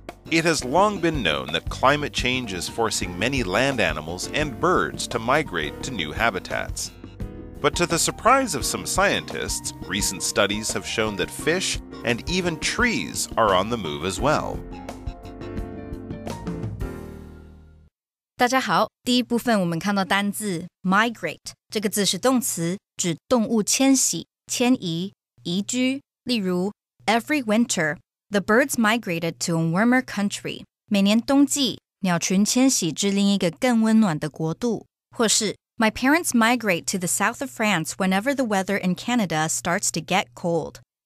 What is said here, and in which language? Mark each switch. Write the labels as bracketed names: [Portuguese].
[English] It has long been known that climate change is forcing many land animals and birds to migrate to new habitats. But to the surprise of some scientists, recent studies have shown that fish and even trees are on the move as well. [Chinese] 大家好, 第一部分我们看到单字 migrate, 这个字是动词,指动物迁徙,迁移,移居。 [English] 例如, every winter, the birds migrated to a warmer country. [Chinese] 每年冬季, 鸟群迁徙至另一个更温暖的国度。或是, [English] my parents migrate to the south of France whenever the weather in Canada starts to get cold.